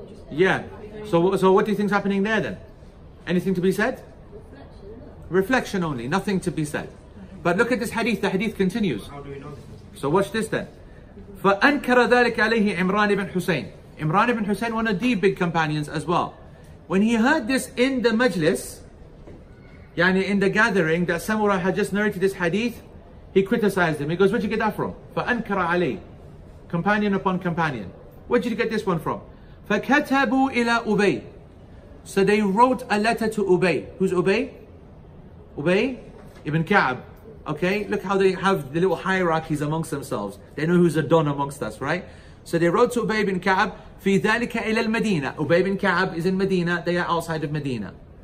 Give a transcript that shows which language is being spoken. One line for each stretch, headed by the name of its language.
English: Yeah. So what do you think's happening there then? Anything to be said? Reflection only. Nothing to be said. But look at this hadith. The hadith continues. So watch this then.
Arabic: فَأَنْكَرَ ذَلِكَ عَلَيْهِ عِمْرَانِ ibn Hussein.
English: Imran ibn Hussein, one of the big companions as well. When he heard this in the majlis, in the gathering, that Samura had just narrated this hadith, he criticized him. He goes, where'd you get that from?
Arabic: فَأَنْكَرَ عَلَيْهِ.
English: Companion upon companion. Where'd you get this one from?
Arabic: فَكَتَبُوا إِلَىٰ Ubay.
English: So they wrote a letter to Ubay. Who's Ubay? Ubay ibn Ka'ab. Okay, look how they have the little hierarchies amongst themselves. They know who's a don amongst us, right? So they wrote to Ubay bin Ka'ab,
Arabic: فِي ذَلِكَ إِلَى الْمَدِينَةِ.
English: Ubay bin Ka'ab is in Medina, they are outside of Medina.